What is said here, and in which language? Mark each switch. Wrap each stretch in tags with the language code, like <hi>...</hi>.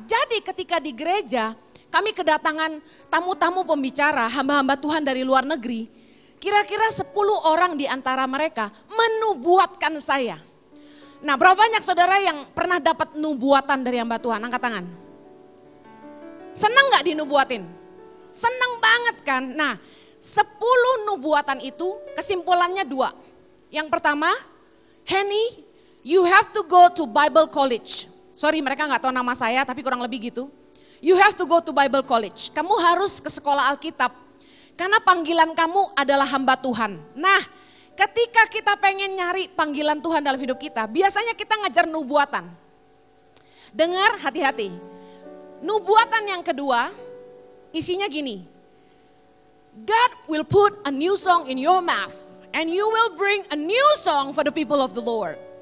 <id>Jadi ketika di gereja, kami kedatangan tamu-tamu pembicara, hamba-hamba Tuhan dari luar negeri, kira-kira 10 orang di antara mereka menubuatkan saya. Nah, berapa banyak saudara yang pernah dapat nubuatan dari hamba Tuhan? Angkat tangan. Senang gak dinubuatin? Seneng banget kan? Nah, 10 nubuatan itu kesimpulannya dua. Yang pertama,</id> <en>Henny, you have to go to Bible College.</en> <id>Sorry, mereka gak tahu nama saya, tapi kurang lebih gitu.</id> <en>You have to go to Bible College.</en> <id>Kamu harus ke sekolah Alkitab. Karena panggilan kamu adalah hamba Tuhan. Nah, ketika kita pengen nyari panggilan Tuhan dalam hidup kita, biasanya kita ngajar nubuatan. Dengar, hati-hati. Nubuatan yang kedua, isinya gini.</id> <en>God will put a new song in your mouth, and you will bring a new song for the people of the Lord.</en>